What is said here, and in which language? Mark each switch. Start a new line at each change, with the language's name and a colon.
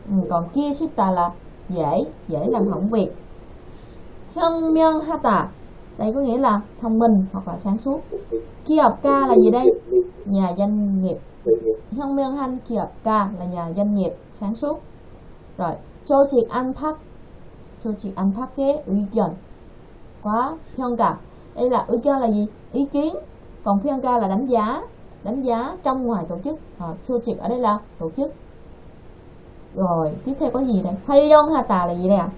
Vietnamese: Còn kia 쉽다 là dễ làm hỏng việc.
Korean: 현명하다.
Vietnamese: Đây có nghĩa là thông minh hoặc là sáng suốt. 기업가 là gì đây? Nhà doanh nghiệp.
Korean: 현명한 기업가
Vietnamese: là nhà doanh nghiệp sáng suốt. Rồi,
Korean: 조직 안팎의 의견. 과 평가.
Vietnamese: Đây là ý kiến là gì? Ý kiến. Còn 평가 là đánh giá trong ngoài tổ chức. 조직 ở đây là tổ chức. Rồi, tiếp theo có gì đây? 활용하다 là gì đây ạ?